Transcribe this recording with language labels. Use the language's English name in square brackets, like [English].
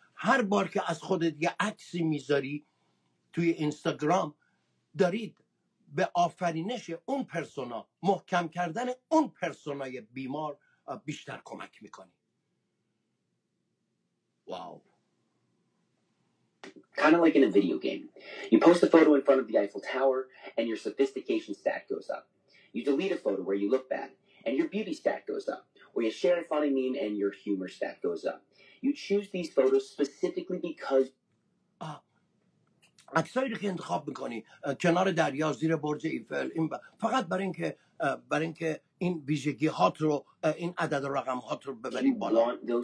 [Persian] هر بار که از خودت یه عکسی میذاری توی اینستاگرام، دارید به آفرینش اون پرسونا، محکم کردن اون پرسونای بیمار بیشتر کمک میکنی. واو. [English] Kind like in a video game. You post a photo in front of the Eiffel Tower, and your sophistication stat goes up. You delete a photo where you look bad, and your beauty stat goes up. Or you share a funny meme, and your humor stat goes up. You choose these photos specifically because... [Persian] عکسایی رو که انتخاب میکنی کنار دریا زیر برج ایفل این فقط برای اینکه این ویژگی هات رو این عدد و رقم هات رو ببری بالا